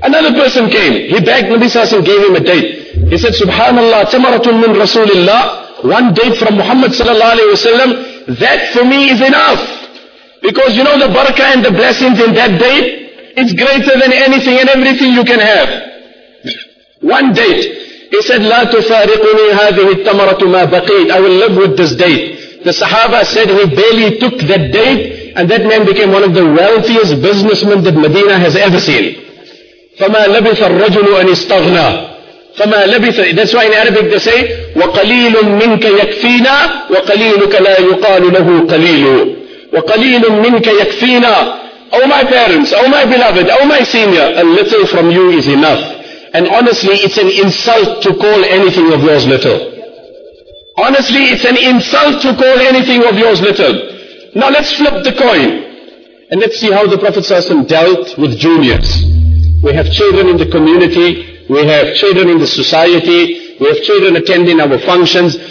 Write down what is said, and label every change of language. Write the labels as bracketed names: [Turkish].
[English] Another person came. He begged, Nabi sallallahu alaihi wasallam gave him a date. He said, subhanallah, [Arabic] tamaratun min rasulillah. [English] One date from Muhammad sallallahu alaihi wasallam. That for me is enough. Because you know the barakah and the blessings in that date, it's greater than anything and everything you can have. One date. He said, [Arabic] لا تفارقني هذه التمرة ما بقيت. [English] I will live with this date. The Sahaba said he barely took that date, and that man became one of the wealthiest businessmen that Medina has ever seen. [Arabic] فما لبث الرجل أن استغنى. فما لبث. [English] That's why in Arabic they say, [Arabic] وقليل منك يكفينا وقليلك لا يقال له قليل. وقليل منك يكفينا [English] Oh my parents, oh my beloved, oh my senior, a little from you is enough. And honestly, it's an insult to call anything of yours little. Honestly, it's an insult to call anything of yours little. Now let's flip the coin. And let's see how the Prophet ﷺ dealt with juniors. We have children in the community, we have children in the society, we have children attending our functions.